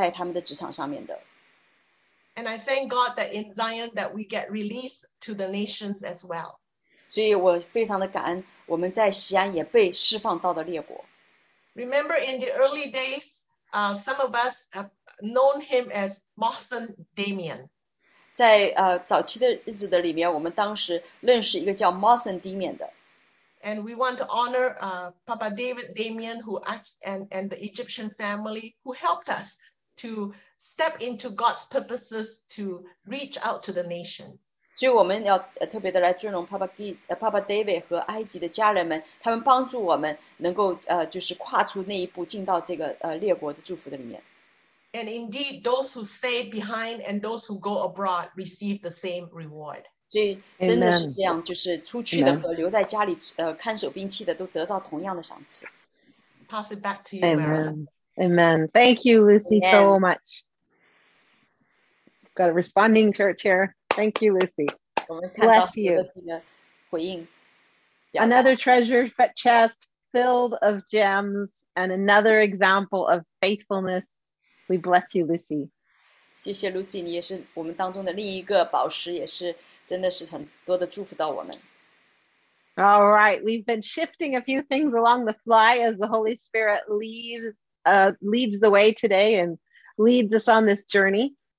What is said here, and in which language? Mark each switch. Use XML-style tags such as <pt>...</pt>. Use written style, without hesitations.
<zh>所以神其实是在这里边，让我们看到在职场上那些爱神的、爱神的国度的，其实让我们的这些牧者们、年轻的牧者们，他们都是全职在职，在他们的职场上面的。</zh> <en>And I thank God that in Zion that we get released to the nations as well.</en> <zh>所以我非常的感恩，我们在锡安也被释放到了列国。</zh> <en>Remember in the early days, some of us have known him as Mawson Damien.</en> <zh>在早期的日子的里面，我们当时认识一个叫 Mawson Damien的。</zh> <en>And we want to honor Papa David Damien who and the Egyptian family who helped us to step into God's purposes to reach out to the nations.</en> <zh>所以我们要特别的来尊荣 Papa David 和埃及的家人们，他们帮助我们能够就是跨出那一步，进到这个列国的祝福的里面。</zh> <en>And indeed, those who stay behind and those who go abroad receive the same reward.</en> <zh>所以真的是这样, 就是出去的和留在家里, 看守兵器的都得到同样的赏赐。</zh> <en>Pass it back to you, Mara. Amen. Thank you, Lucy, so much. Got a responding church here. Thank you, Lucy. Bless you. Another treasure chest filled of gems and another example of faithfulness. We bless you, Lucy.</en> <zh>谢谢 Lucy, 你也是我们当中的另一个宝石，也是真的是很多的祝福到我们。</zh> <en>All right, we've been shifting a few things along the fly as the Holy Spirit leads the way today and leads us on this journey.</en>